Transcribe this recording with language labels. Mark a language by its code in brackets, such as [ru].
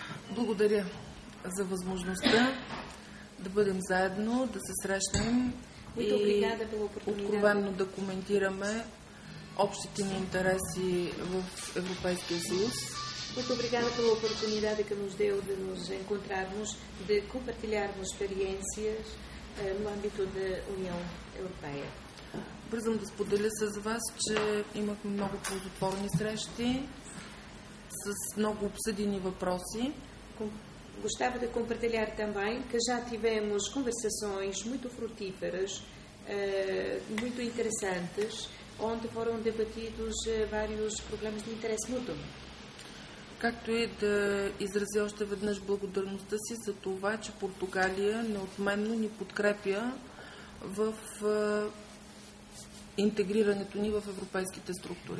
[bg] Благодаря за възможността да бъдем заедно, да се срещнем и откровенно да коментираме общите ни интереси в Европейския съюз. [pt] Muito obrigada pela oportunidade que nos deu de nos encontrarmos, de compartilharmos experiências no âmbito da União Europeia. [bg] Бързам да споделя с вас, че имахме много плодотворни срещи с много обсъдени въпроси. [pt] Gostava de compartilhar também que já tivemos conversações muito frutíferas, muito interessantes, onde foram debatidos vários problemas de interesse mútuo. [bg] Както и да изразя още веднъж благодарността си за това, че Португалия неотменно ни подкрепя в интегрирането ни в европейските структури.